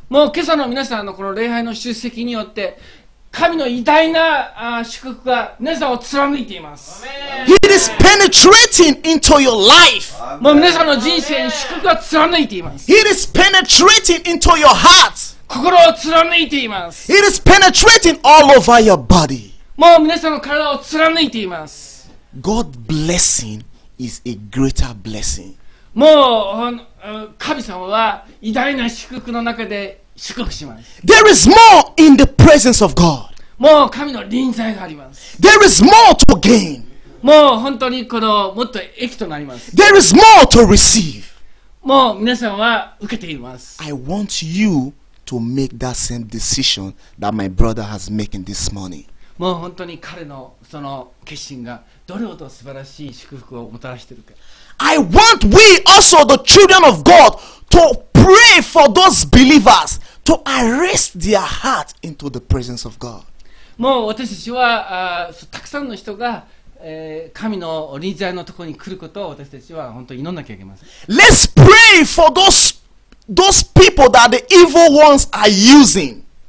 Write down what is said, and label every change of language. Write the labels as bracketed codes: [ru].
[ja] もう今朝の皆さんのこの礼拝の出席によって神の偉大な祝福が皆さんを貫いています。 [en] It is penetrating into your life. [ja] もう皆さんの人生に祝福が貫いています。 [en] It is penetrating into your heart. [ja] 心を貫いています。 [en] It is penetrating all over your body. [ja] もう皆さんの体を貫いています。 [en] God's blessing is a greater blessing. [ja] もう神様は偉大な祝福の中で祝福します。 [en] There is more in the presence of God. [ja] もう神の臨在があります。 [en] There is more to gain. [ja] もう本当にこのもっと益となります。 [en] There is more to receive. [ja] もう皆さんは受けています。 [en] I want you to make that same decision that my brother has making this morning. [ja] もう本当に彼のその決心がどれほど素晴らしい祝福をもたらしているか。 [en] I want we also the children of God to pray for those believers to arrest their heart into the presence of God. [ja] もう私たちはたくさんの人が、神の臨在のところに来ることを私たちは本当に祈んなきゃいけません。 [en] Let's pray for those people that the evil ones are using.